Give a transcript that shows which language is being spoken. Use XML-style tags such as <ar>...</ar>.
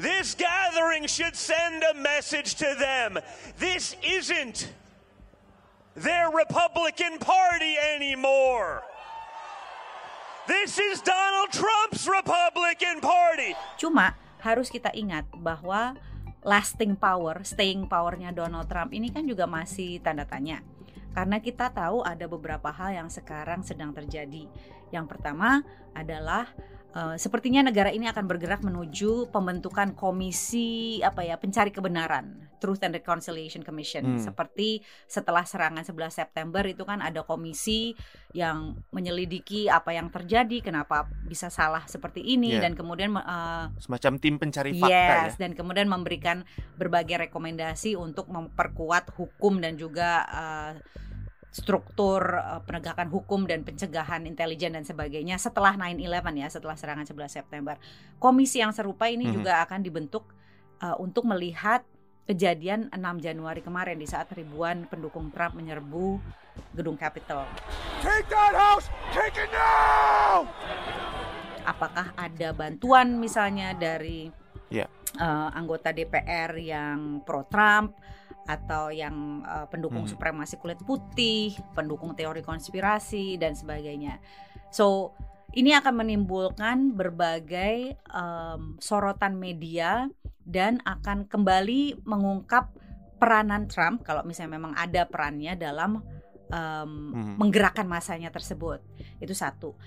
<en>This gathering should send a message to them. This isn't their Republican Party anymore. This is Donald Trump's Republican Party.</en> <id>Cuma harus kita ingat bahwa</id> <en>lasting power,</en> <id>staying powernya Donald Trump ini kan juga masih tanda tanya. Karena kita tahu ada beberapa hal yang sekarang sedang terjadi. Yang pertama adalah sepertinya negara ini akan bergerak menuju pembentukan komisi apa ya, pencari kebenaran, Truth and Reconciliation Commission. Seperti setelah serangan 11 September itu kan ada komisi yang menyelidiki apa yang terjadi, kenapa bisa salah seperti ini, dan kemudian semacam tim pencari fakta, dan kemudian memberikan berbagai rekomendasi untuk memperkuat hukum dan juga struktur penegakan hukum dan pencegahan intelijen dan sebagainya setelah 9/11 ya, setelah serangan 11 September. Komisi yang serupa ini juga akan dibentuk untuk melihat kejadian 6 Januari kemarin di saat ribuan pendukung Trump menyerbu gedung Capitol.</id> <en>Take that house, take it now!</en> <id>Apakah ada bantuan misalnya dari anggota DPR yang pro-Trump atau yang pendukung supremasi kulit putih, pendukung teori konspirasi dan sebagainya. So ini akan menimbulkan berbagai sorotan media dan akan kembali mengungkap peranan Trump kalau misalnya memang ada perannya dalam menggerakkan masanya tersebut. Itu satu.</id>